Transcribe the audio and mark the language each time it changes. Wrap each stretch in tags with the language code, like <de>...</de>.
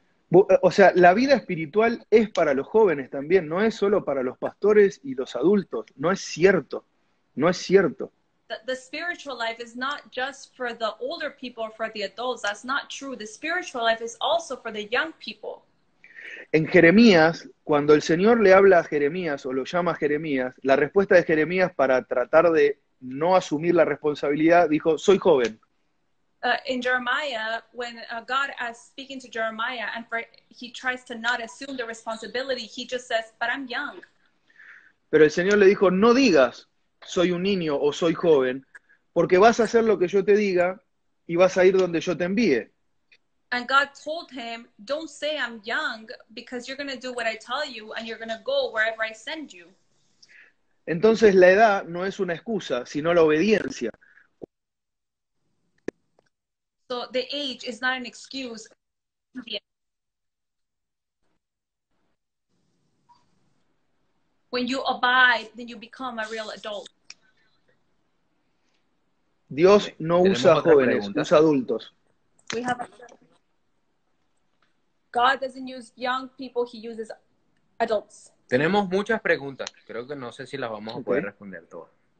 <es>O sea, la vida espiritual es para los jóvenes también, no es solo para los pastores y los adultos. No es cierto. No es cierto.</es> <en>The spiritual life is not just for the older people or for the adults. That's not true. The spiritual life is also for the young people.</en> <es>En Jeremías, cuando el Señor le habla a Jeremías o lo llama a Jeremías, la respuesta de Jeremías para tratar de no asumir la responsabilidad dijo, soy joven.</es> <en>In Jeremiah, when God is speaking to Jeremiah and for, he tries to not assume the responsibility, he just says, but I'm young.</en> <es>Pero el Señor le dijo, no digas, soy un niño o soy joven, porque vas a hacer lo que yo te diga y vas a ir donde yo te envíe.</es> <en>And God told him, don't say I'm young, because you're going to do what I tell you, and you're going to go wherever I send you.</en> <es>Entonces la edad no es una excusa, sino la obediencia.</es> <en>So the age is not an excuse. When you abide, then you become a real adult.</en> <es>Dios no usa jóvenes, usa adultos.</es> <en>We have a... God doesn't use young people, he uses adults.</en> <es>Tenemos muchas preguntas, creo que no sé si las vamos a poder responder todas.</es>